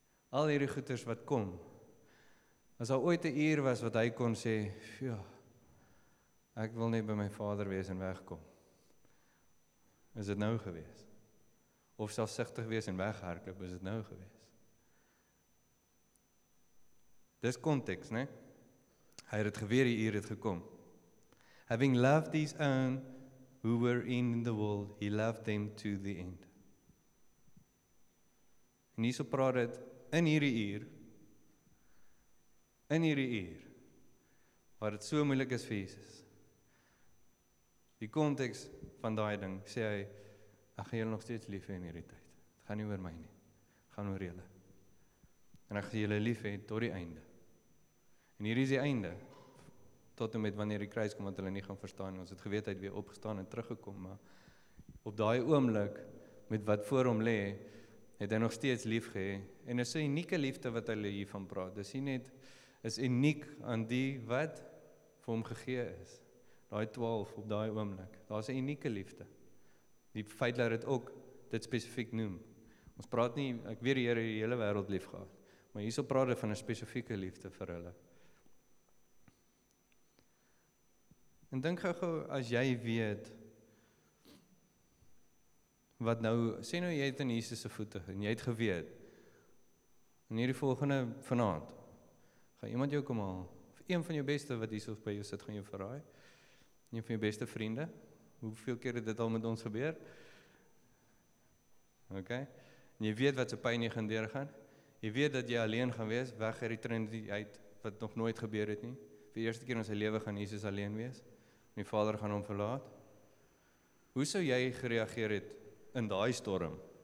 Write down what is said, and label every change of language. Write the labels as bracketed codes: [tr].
[af] Al hierdie goeders wat kom. As daar ooit 'n uur was wat hy kon sê, "Ja, ek wil net by my Vader wees en wegkom." Is dit nou gewees? Of selfsugtig wees en weghardloop, is dit nou gewees. Dis konteks, né? Hy het dit geweet, die uur het gekom. [en] Having loved his own who were in the world, he loved them to the end. [af] En hierso praat dit in hierdie uur, waar dit so moeilik is vir Jesus. Die konteks van daai ding, sê hy, ek gaan julle nog steeds lief hê in hierdie tyd. Dit gaan nie oor my nie. Dit gaan oor julle. En ek gaan julle lief hê tot die einde. En hier is die einde. Tot en met wanneer die kruis kom, wat hulle nie gaan verstaan. Ons het geweet, hy het weer opgestaan en teruggekom. Maar op daai oomblik, met wat voor hom lê, het hy nog steeds lief gehê. En dis 'n unieke liefde wat hulle hiervan praat. Dis nie net, is uniek aan die wat vir hom gegee is. Daai 12 op daai oomblik. Daar is 'n unieke liefde. Die feit dat dit ook dit spesifiek noem. Ons praat nie, ek weet die Here die hele wêreld lief gehad, maar hierso praat hy van 'n spesifieke liefde vir hulle. En dink gou as jy weet wat nou, sê nou jy het in Jesus se voete en jy het geweet in hierdie volgende vanaand gaan iemand jou kom haal, of een van jou beste wat hierso by jou sit gaan jou verraai, een van jou beste vriende. Hoeveel keer het dit al met ons gebeur? Ok? En jy weet wat sy pyn jy gaan deurgaan. Jy weet dat jy alleen gaan wees, weg uit die Trinity, wat nog nooit gebeur het nie. Vir die eerste keer in sy lewe gaan Jesus alleen wees. En die Vader gaan hom verlaat. Hoe sou jy gereageer het in daai storm?